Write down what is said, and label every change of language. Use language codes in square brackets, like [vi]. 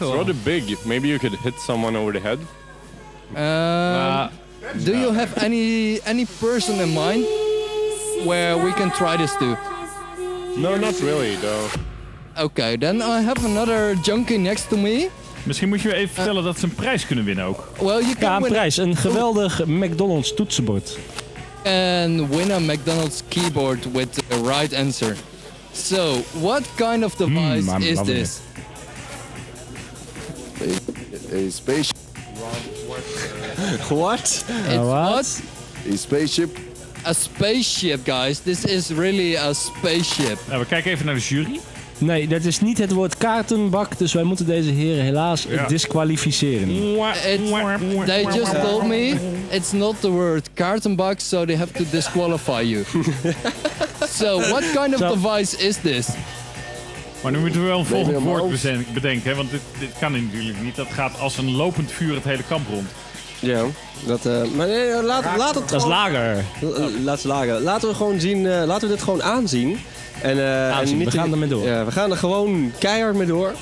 [en] It's rather big. Maybe you could hit someone over the head. You have any person in mind where we can try this to? No, not really, though. Okay, then I have another junkie next to me. [nl] Misschien moet je even vertellen dat ze een prijs kunnen winnen ook. [en] Well, you can [nl] ja, een prijs. Een geweldig McDonald's toetsenbord. [en] And win a McDonald's keyboard with the right answer. So, what kind of device is this? A spaceship. What? A spaceship. A spaceship, guys. This is really a spaceship. [nl] Nou, we kijken even naar de jury. Nee, dat is niet het woord kaartenbak, dus wij moeten deze heren helaas disqualificeren. [en] They just told me it's not the word kaartenbak, so they have to disqualify you. So, what kind of device is this? [nl] Maar nu moeten we wel een volgend woord bedenken, hè? Want dit kan natuurlijk niet. Dat gaat als een lopend vuur het hele kamp rond. Ja, dat... Maar nee, laat het dat gewoon... Dat is lager. Laat het lager. Laten we dit gewoon aanzien. We gaan er gewoon keihard mee door.